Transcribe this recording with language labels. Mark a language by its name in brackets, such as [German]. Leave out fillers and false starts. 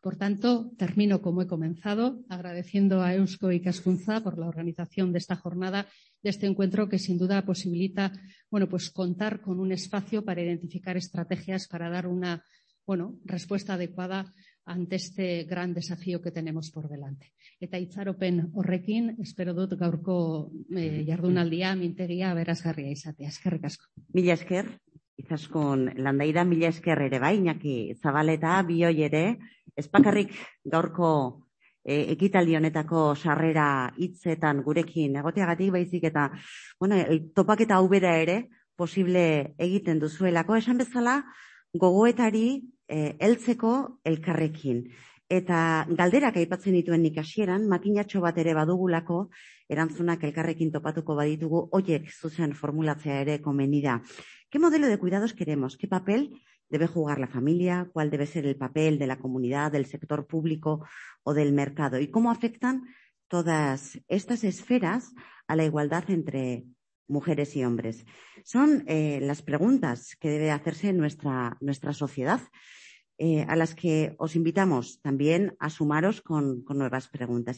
[Spanish] Por tanto, termino como he comenzado, agradeciendo a Eusko Ikaskuntza por la organización de esta jornada, de este encuentro que sin duda posibilita, bueno, pues contar con un espacio para identificar estrategias para dar una, bueno, respuesta adecuada ante este gran desafío que tenemos por delante. [Basque] Eta itzaropen horrekin, espero dut gaurko jardunaldia, mintegia, berazgarria izatea. Eskerrik asko. Mila esker. Izaskun Landaida, mila esker ere bai, Iñaki Zabaleta, bioi ere, ez bakarrik gaurko ekitaldi honetako sarrera hitzetan gurekin egoteagatik, baizik eta bueno, topaketa hau bera ere posible egiten duzuelako, esan bezala gogoetari heltzeko elkarrekin. Eta galderak aipatzen dituen nik hasieran, makinatxo bat ere badugulako, erantzunak elkarrekin topatuko baditugu, hoiek zuzen formulatzea ere komeni da. [Spanish] ¿Qué modelo de cuidados queremos? ¿Qué papel debe jugar la familia? ¿Cuál debe ser el papel de la comunidad, del sector público o del mercado? ¿Y cómo afectan todas estas esferas a la igualdad entre mujeres y hombres? Son las preguntas que debe hacerse en nuestra sociedad, a las que os invitamos también a sumaros con nuevas preguntas.